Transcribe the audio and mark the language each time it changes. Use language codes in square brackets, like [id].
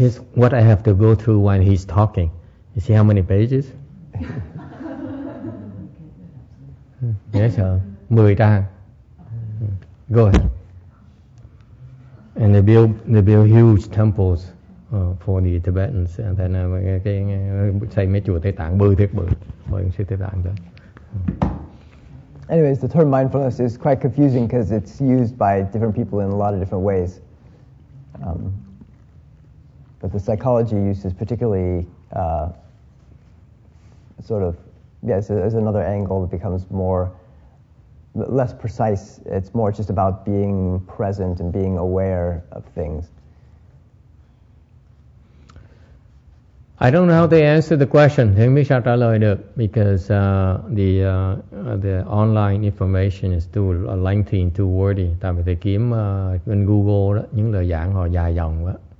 [en] Here's what I have to go through when he's talking. You see how many pages? Yes, sir. 10 trang. Go ahead. And they build huge temples for the Tibetans. And then say [vi] mấy chùa Tây Tạng bự thiệt bự. Mọi người xây Tây Tạng đó. [en] Anyways, the term mindfulness is quite confusing because it's used by different people in a lot of different ways. But the psychology use is particularly sort of, yes, there's another angle that becomes more, less precise. It's more just about being present and being aware of things. I don't know how they answer the question. Because the online information is too lengthy and too wordy. [vi] Tại vì thầy kiếm trên Google đó, những lời giảng họ dài dòng quá.